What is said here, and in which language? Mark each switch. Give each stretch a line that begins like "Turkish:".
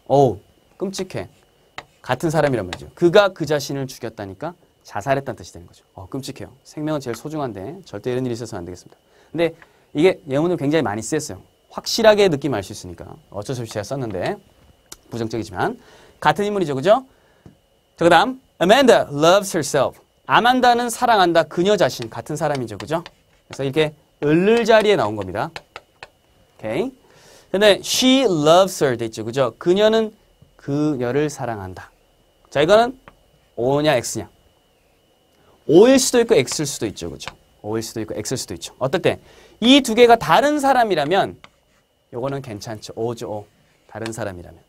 Korean: 어우, 끔찍해. 같은 사람이란 말이죠. 그가 그 자신을 죽였다니까 자살했다는 뜻이 되는 거죠. 끔찍해요. 생명은 제일 소중한데 절대 이런 일이 있어서는 안 되겠습니다. 근데 이게 예문을 굉장히 많이 쓰였어요. 확실하게 느낌 알 수 있으니까. 어쩔 수 없이 제가 썼는데. 부정적이지만 같은 인물이죠. 그죠? 자, 그다음
English: Amanda loves herself.
Korean: 아만다는 사랑한다. 그녀 자신 같은 사람이죠. 그죠? 그래서 이렇게 을을 자리에 나온 겁니다. 오케이. 근데
English: she loves her
Korean: 됐죠. 그죠? 그녀는 그녀를 사랑한다. 자, 이거는 O냐 X냐? O일 수도 있고 X일 수도 있죠. 그죠? O일 수도 있고 X일 수도 있죠. 어떨 때 이 두 개가 다른 사람이라면 요거는 괜찮죠. O죠. O. 다른 사람이라면.